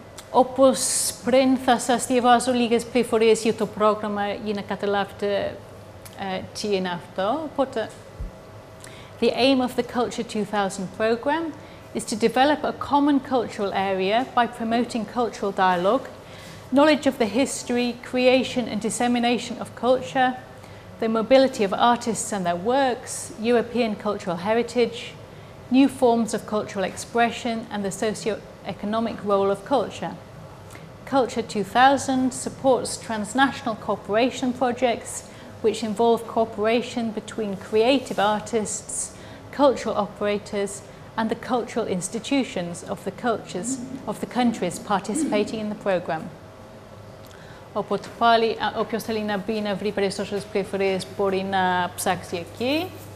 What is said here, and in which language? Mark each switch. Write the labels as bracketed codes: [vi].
[el] Όπως πριν, θα σας διαβάζω λίγες πληροφορίες για το πρόγραμμα για να καταλάβετε τι είναι αυτό. [en] Οπότε, the aim of the Culture 2000 program is to develop a common cultural area by promoting cultural dialogue, knowledge of the history, creation and dissemination of culture, the mobility of artists and their works, European cultural heritage, new forms of cultural expression and the socio-economic role of culture. Culture 2000 supports transnational cooperation projects which involve cooperation between creative artists, cultural operators and the cultural institutions of the cultures of the countries participating in the program. [el] Οπότε πάλι, όποιος θέλει να μπει να βρει περισσότερες πληροφορίες μπορεί να ψάξει εκεί.